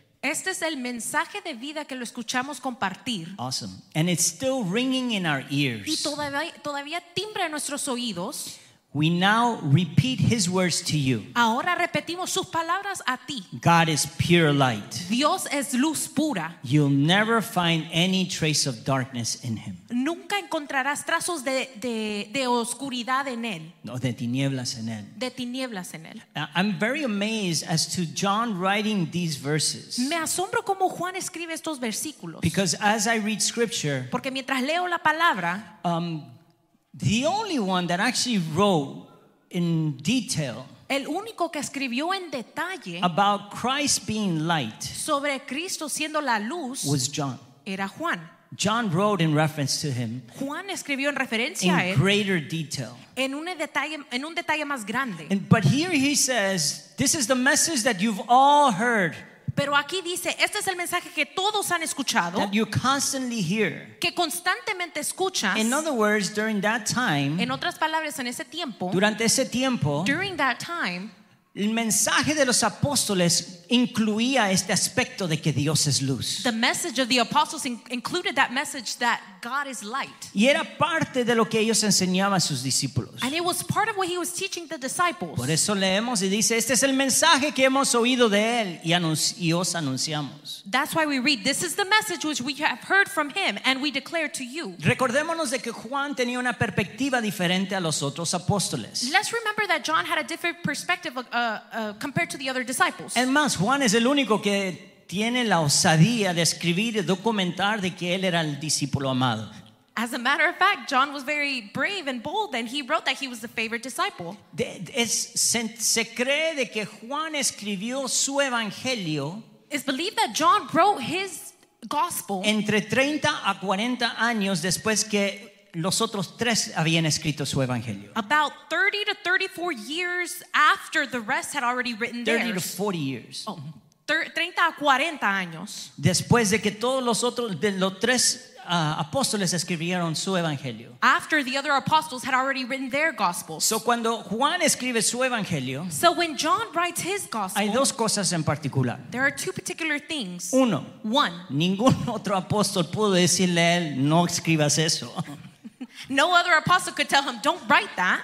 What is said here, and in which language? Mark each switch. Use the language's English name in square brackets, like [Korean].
[Spanish] Este es el mensaje de vida que lo escuchamos compartir. [English] Awesome. And it's still ringing in our ears. [Spanish] Y todavía timbra en nuestros oídos. [English] We now repeat his words to you. [Spanish] Ahora repetimos sus palabras a ti. [English] God is pure light. [Spanish] Dios es luz pura. [English] You'll never find any trace of darkness in him. [Spanish] Nunca encontrarás trazos de oscuridad en él. No, de tinieblas en él. De tinieblas en él. [English] I'm very amazed as to John writing these verses. [Spanish] Me asombro cómo Juan escribe estos versículos. [English] Because as I read scripture, [Spanish] porque mientras leo la palabra, [English] the only one that actually wrote in detail, [Spanish] el único que escribió en detalle, [English] about Christ being light, [Spanish] sobre Cristo siendo la luz, [English] was John. [Spanish] Era Juan. [English] John wrote in reference to him. [Spanish] Juan escribió en referencia [English] in [Spanish] a él, [English] greater detail. [Spanish] En un detalle más grande. [English] But here he says, "This is the message that you've all heard." [Spanish] Pero aquí dice, este es el mensaje que todos han escuchado. [English] That you constantly hear. [Spanish] Que constantemente escuchas. [English] In other words, during that time. [Spanish] En otras palabras, en ese tiempo. Durante ese tiempo. [English] During that time. [Spanish] El mensaje de los apóstoles incluía este aspecto de que Dios es luz. [English] The message of the apostles included that message that God is light. [Spanish] Y era parte de lo que ellos enseñaban a sus discípulos. [English] And it was part of what he was teaching the disciples. [Spanish] Por eso leemos y dice, este es el mensaje que hemos oído de él y os anunciamos. [English] That's why we read, this is the message which we have heard from him and we declare to you. [Spanish] Recordémonos de que Juan tenía una perspectiva diferente a los otros apóstoles. [English] Let's remember that John had a different perspective compared to the other disciples. [Spanish] Es más, Juan es el único que tiene la osadía de escribir y documentar de que él era el discípulo amado. [English] As a matter of fact, John was very brave and bold, and he wrote that he was the favorite disciple. [Spanish] Se cree de que Juan escribió su evangelio. [English] It's believed that John wrote his gospel [Spanish] entre 30 a 40 años después que los otros tres habían escrito su evangelio. [English] About 30 to 34 years after the rest had already written theirs. 30 to 40 years. [Spanish] Oh. 30 a 40 años. Después de que todos los otros de los tres apóstoles escribieron su evangelio. [English] After the other apostles had already written their gospels. [Spanish] So cuando Juan escribe su evangelio, [English] so when John writes his gospel, [Spanish] hay dos cosas en particular. [English] There are two particular things. [Spanish] Uno, [English] one. [Spanish] Ningún otro apóstol pudo decirle a él, no escribas eso. No other apostle could tell him, don't write that.